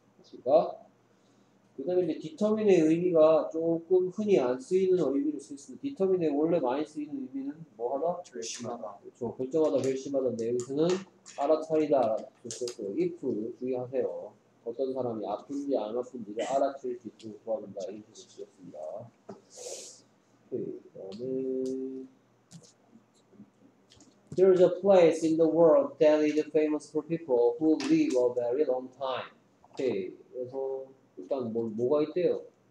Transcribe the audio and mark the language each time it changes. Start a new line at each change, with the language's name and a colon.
Korean: 그러니까 그 다음에 이제 determine의 의미가 조금 흔히 안 쓰이는 의미로 쓸 수는 determine의 원래 많이 쓰이는 의미는 뭐 하나? 결심하다. 그렇죠. 결정하다, 결심하다인데 여기서는 알아차리다. 그렇죠. if 주의하세요. 어떤 사람이 아픈지 안 아픈지를 알아차릴 수 있도록 도와준다. 이 뜻을 쓰였습니다. 그 다음에
English: There is a place in the world that is famous for people who live a very long time.
Korean: 오케이. 그래서 일단 뭐가 있대요?